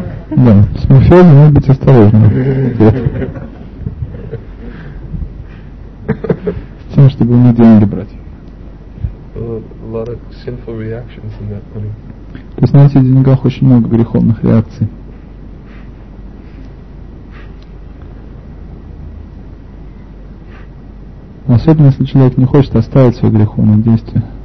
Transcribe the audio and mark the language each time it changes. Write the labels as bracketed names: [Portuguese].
[Russian] No, с мафиози надо быть осторожным. С тем, чтобы не деньги брать. [English] A lot of sinful reactions in that money. [Russian] То есть на этих деньгах очень много греховных реакций. Особенно если человек не хочет оставить свое греховное действие.